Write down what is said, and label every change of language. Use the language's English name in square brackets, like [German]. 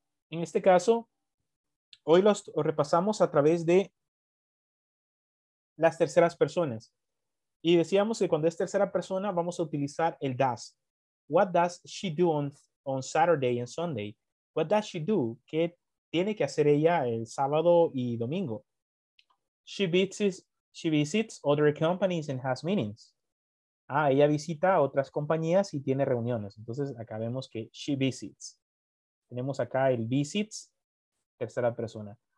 [Spanish] En este caso, hoy los repasamos a través de las terceras personas. Y decíamos que cuando es tercera persona, vamos a utilizar el does. [English] What does she do on Saturday and Sunday? What does she do? [Spanish] ¿Qué tiene que hacer ella el sábado y domingo? [English] She visits other companies and has meetings. [Spanish] Ah, ella visita otras compañías y tiene reuniones. Entonces, acá vemos que she visits. Tenemos acá el visits, tercera persona.